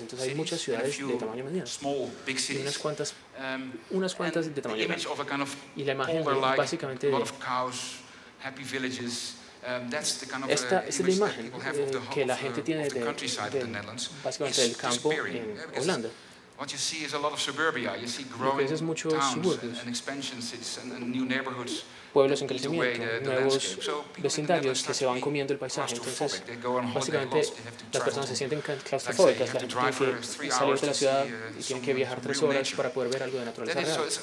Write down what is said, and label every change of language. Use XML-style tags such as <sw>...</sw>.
<es>Entonces, hay muchas ciudades de tamaño mediano y unas cuantas de tamaño grande. Y la imagen básicamente de</es> <en>happy villages.</en> <es>Esta es la imagen que la gente tiene de básicamente del campo en Holanda.</es> <en>What you see is a lot of suburbia. You see growing towns and expansion cities and new neighborhoods.</en> <es>Pueblos en crecimiento, nuevos vecindarios que se van comiendo el paisaje. Entonces, básicamente, las personas se sienten claustrofóbicas. La gente tiene que salir de la ciudad y tienen que viajar 3 horas para poder ver algo de naturaleza real.</es>